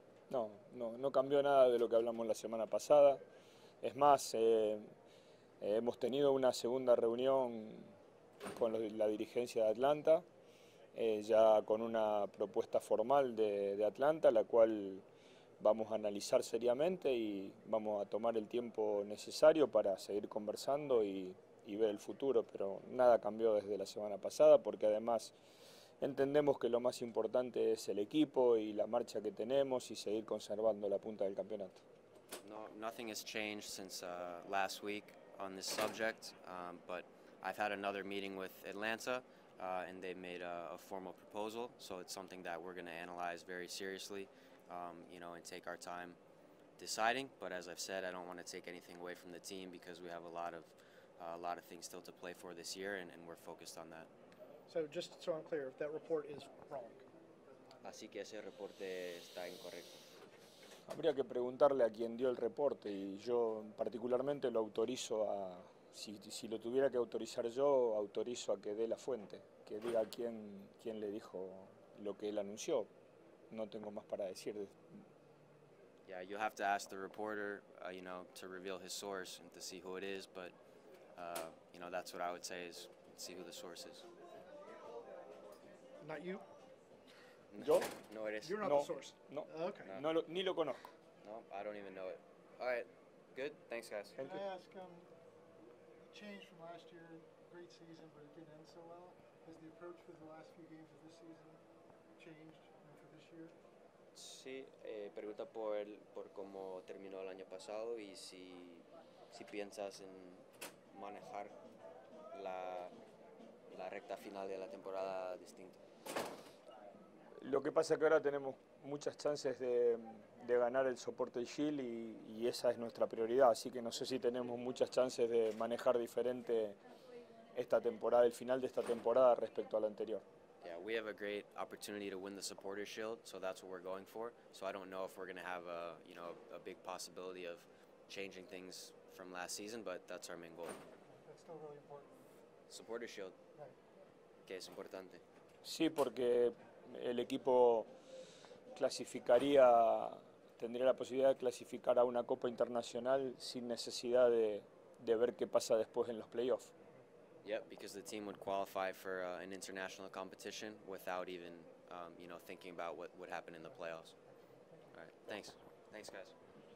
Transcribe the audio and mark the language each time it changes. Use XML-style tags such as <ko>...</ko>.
<es>No, no, no cambió nada de lo que hablamos la semana pasada. Es más, hemos tenido una segunda reunión con la dirigencia de Atlanta, ya con una propuesta formal de Atlanta, la cual vamos a analizar seriamente y vamos a tomar el tiempo necesario para seguir conversando y ver el futuro, pero nada cambió desde la semana pasada, porque además Entendemos que lo más importante es el equipo y la marcha que tenemos y seguir conservando la punta del campeonato.</es> <en>No, nothing has changed since last week on this subject, but I've had another meeting with Atlanta, and they made a formal proposal. So it's something that we're going to analyze very seriously, you know, and take our time deciding. But as I've said, I don't want to take anything away from the team because we have a lot of things still to play for this year, and we're focused on that. So just so I'm clear, that report is wrong.</en> <es>Así que ese reporte está incorrecto. Habría que preguntarle a quien dio el reporte y yo particularmente lo autorizo a, si lo tuviera que autorizar yo, autorizo a que dé la fuente, que diga quién le dijo lo que él anunció. No tengo más para decir.</es> <en>Yeah, you have to ask the reporter, you know, to reveal his source and to see who it is, but, you know, that's what I would say is see who the source is. Not you.</en> <es>¿Yo? No eres.</es> <en>You're not</en> <es>no.</es> <en>the source.</en> <es>No.</es> <en>Okay.</en> <es>No. Ni lo conozco.</es> <en>No, I don't even know it. All right. Good. Thanks, guys. Can I ask, change from last year, great season, but it didn't end so well. Has the approach for the last few games of this season changed for this year?</en> <es>Sí, pregunta por cómo terminó el año pasado y si piensas en manejar la recta final de la temporada distinto. Lo que pasa es que ahora tenemos muchas chances de ganar el soporte Shield y esa es nuestra prioridad. Así que no sé si tenemos muchas chances de manejar diferente esta temporada, el final de esta temporada respecto a la anterior.</es> <en>Yeah, we have a great opportunity to win the supporter shield, so that's what we're going for. So I don't know if we're going to have a, you know, a big possibility of changing things from last season, but that's our main goal. That's still really important. Supporter shield. Right.</en> <es>Que es importante. Sí, porque el equipo clasificaría, tendría la posibilidad de clasificar a una Copa Internacional sin necesidad de ver qué pasa después en los playoffs.</es> <en>Yep, because the team would qualify for an international competition without even, you know, thinking about what would happen in the playoffs. All right, thanks. Thanks, guys.</en>